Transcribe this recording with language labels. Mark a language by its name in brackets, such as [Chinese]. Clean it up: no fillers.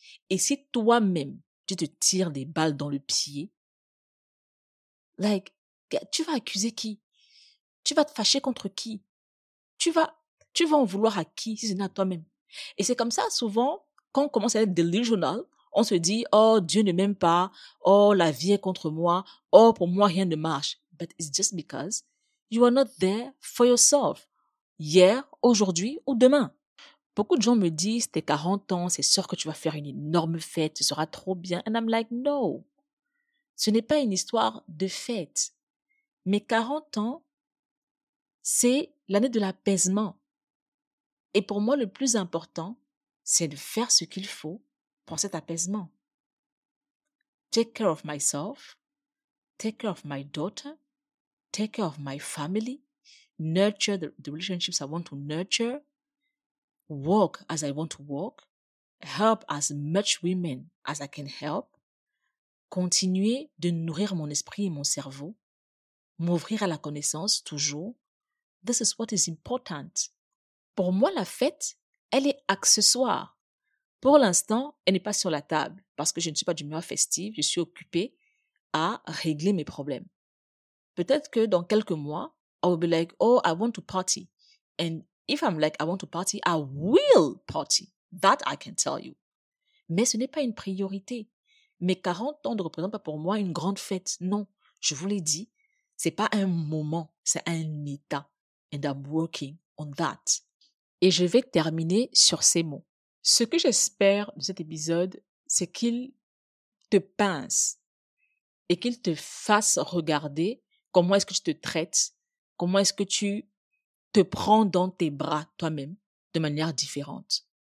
[French] Et si toi-même, tu te tires des balles dans le pied, like, tu vas accuser qui? Tu vas te fâcher contre qui? Tu vas en vouloir à qui si ce n'est à toi-même? Et c'est comme ça, souvent, quand on commence à être delusional, on se dit, oh, Dieu ne m'aime pas, oh, la vie est contre moi, oh, pour moi, rien ne marche. [English] But it's just because you are not there for yourself. [French] Hier, aujourd'hui ou demain. Beaucoup de gens me disent, t'es 40 ans, c'est sûr que tu vas faire une énorme fête, ce sera trop bien. [English] And I'm like, no. [French] Ce n'est pas une histoire de fête. Mais 40 ans, c'est l'année de l'apaisement. Et pour moi, le plus important, c'est de faire ce qu'il faut pour cet apaisement. [English] Take care of myself. Take care of my daughter. Take care of my family. Nurture the relationships I want to nurture. Walk as I want to walk. Help as much women as I can help. [French] Continuer de nourrir mon esprit et mon cerveau. M'ouvrir à la connaissance toujours. [English] This is what is important. [French] Pour moi, la fête, elle est accessoire. Pour l'instant, elle n'est pas sur la table parce que je ne suis pas d'humeur festive. Je suis occupée à régler mes problèmes. Peut-être que dans quelques mois, [English] I will be like, oh, I want to party. And if I'm like, I want to party, I will party. That I can tell you. [French] Mais ce n'est pas une priorité. Mes 40 ans ne représentent pas pour moi une grande fête. Non, je vous l'ai dit, ce n'est pas un moment, c'est un état. [English] And I'm working on that. [French] Et je vais terminer sur ces mots. Ce que j'espère de cet épisode, c'est qu'il te pince et qu'il te fasse regarder comment est-ce que tu te traites, comment est-ce que tu te prends dans tes bras toi-même de manière différente.